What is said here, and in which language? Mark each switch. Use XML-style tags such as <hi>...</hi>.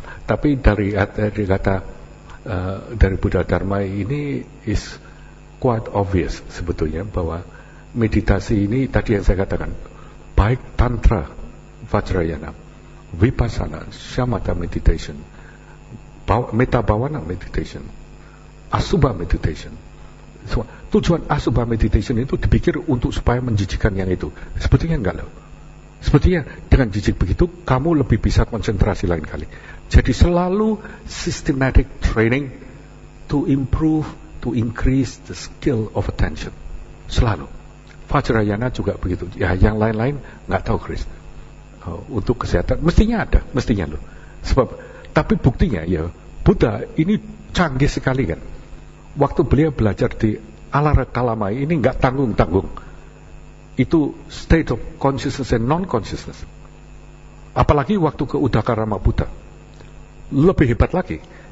<id>Tapi dari kata dari Buddha Dharma ini</id> <en>is quite obvious</en> <id>sebetulnya bahwa meditasi ini tadi yang saya katakan, baik tantra, vajrayana, vipassana, shamatha meditation, metta bhavana meditation, asubha meditation. So, tujuan asubha meditation itu dipikir untuk supaya menjijikkan yang itu. Sepertinya enggak loh. Sepertinya dengan jijik begitu kamu lebih bisa konsentrasi lain kali. Jadi selalu</id> <en>systematic training to improve, to increase the skill of attention.</en> <id>Selalu. Vajrayana juga begitu. Ya, yang lain-lain enggak tahu Chris. Untuk kesehatan mestinya ada, mestinya loh. Sebab tapi buktinya ya Buddha ini canggih sekali kan. waktu beliau belajar di Alara Kalamai ini enggak tanggung-tanggung. Itu</id> <en>state of consciousness and non-consciousness.</en> <id>Apalagi waktu ke Udakara Mahabuddha. Lebih hebat lagi.</id>